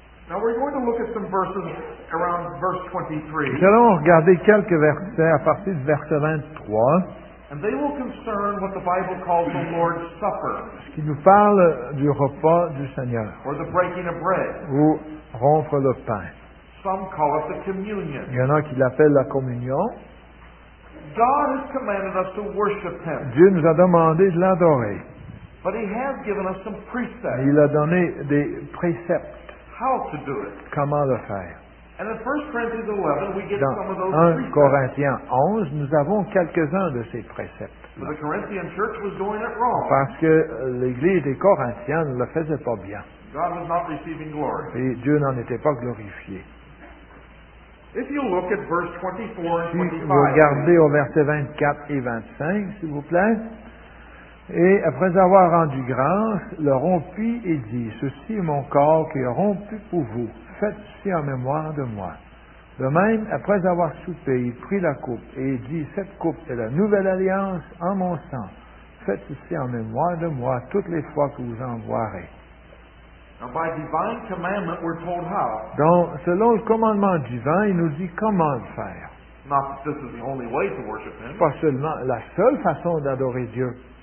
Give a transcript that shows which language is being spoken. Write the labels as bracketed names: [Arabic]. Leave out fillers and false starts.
[English] Now we're going to look at some verses around verse 23. [French] Nous allons regarder quelques versets à partir du verset 23. [English] And they will concern what the Bible calls the Lord's Supper. [French] Ce qui nous parle du repas du Seigneur. [English] Or the breaking of bread. [French] Ou rompre le pain. [English] Some call it the communion. [French] Il y en a qui l'appellent la communion. [English] God has commanded us to worship Him. [French] Dieu nous a demandé de l'adorer. [English] But He has given us some precepts. [French] Il a donné des préceptes. [English] How to do it? [French] Comment le faire? [English] And in 1 Corinthians 11, we get [French] dans [English] some of those 1 precepts. [French] Dans 1 Corinthiens 11, nous avons quelques-uns de ces préceptes. [English] But the Corinthian church was doing it wrong. [French] Parce que l'église des Corinthiens ne le faisait pas bien. [English] God was not receiving glory. [French] Et Dieu n'en était pas glorifié. [English] If you look at verse 24 and 25, [French] si vous regardez au verset 24 et 25, s'il vous plaît. Et après avoir rendu grâce, le rompit et dit, « Ceci est mon corps qui est rompu pour vous. Faites ceci en mémoire de moi. » De même, après avoir soupé, il prit la coupe et dit, « Cette coupe est la nouvelle alliance en mon sang. Faites ceci en mémoire de moi toutes les fois que vous en boirez. » [English] By divine commandment, we're told how. [French] Donc, selon le commandement divin, il nous dit comment le faire. [English] Not that this is the only way to worship Him. [French] Pas seulement la seule façon d'adorer Dieu.